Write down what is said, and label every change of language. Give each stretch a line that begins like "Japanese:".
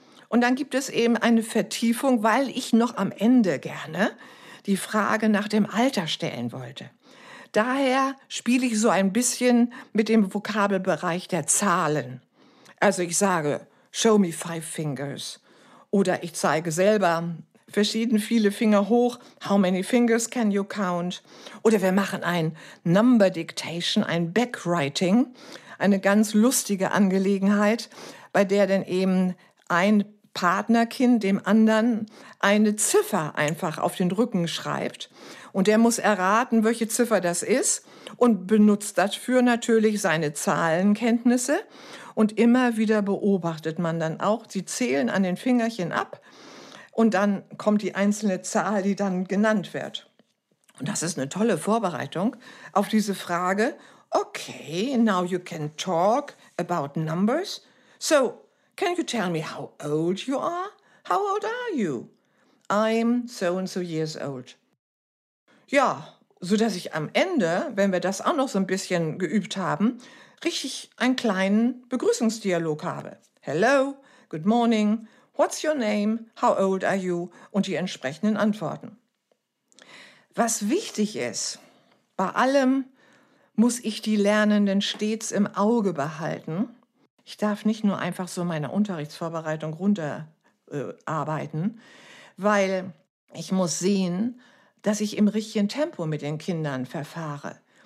German: Und dann gibt es eben eine Vertiefung, weil ich noch am Ende gerne die Frage nach dem Alter stellen wollte. Daher spiele ich so ein bisschen mit dem Vokabelbereich der Zahlen. Also ich sage,
English: show me five fingers.
German: Oder ich zeige selber verschieden viele Finger hoch.
English: How many fingers can you count?
German: Oder wir machen ein Number Dictation, ein Backwriting. Eine ganz lustige Angelegenheit, bei der dann eben ein Partnerkind dem anderen eine Ziffer einfach auf den Rücken schreibt. Und der muss erraten, welche Ziffer das ist und benutzt dafür natürlich seine Zahlenkenntnisse. Und immer wieder beobachtet man dann auch, sie zählen an den Fingerchen ab und dann kommt die einzelne Zahl, die dann genannt wird. Und das ist eine tolle Vorbereitung auf diese Frage.
English: Okay, now you can talk about numbers. So, can you tell me how old you are? How old are you? I'm so and so years old.
German: Ja, sodass ich am Ende, wenn wir das auch noch so ein bisschen geübt haben, richtig einen kleinen Begrüßungsdialog habe.
English: Hello, good morning, what's your name, how old are you?
German: Und die entsprechenden Antworten. Was wichtig ist, bei allem muss ich die Lernenden stets im Auge behalten. Ich darf nicht nur einfach so meine Unterrichtsvorbereitung runterarbeiten, weil ich muss sehen, dass ich im richtigen Tempo mit den Kindern verfahre.